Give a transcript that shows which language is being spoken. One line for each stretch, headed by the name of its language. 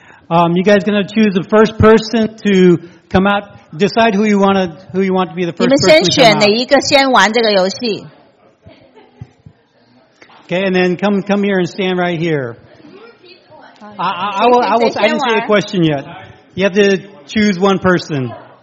English: You guys gonna choose the first person to come out? Decide who you want to be the first person.
Chinese: 你们先选哪一个先玩这个游戏
English: ？Okay, and then come here and stand right here. I didn't say a question yet. You have to choose one person.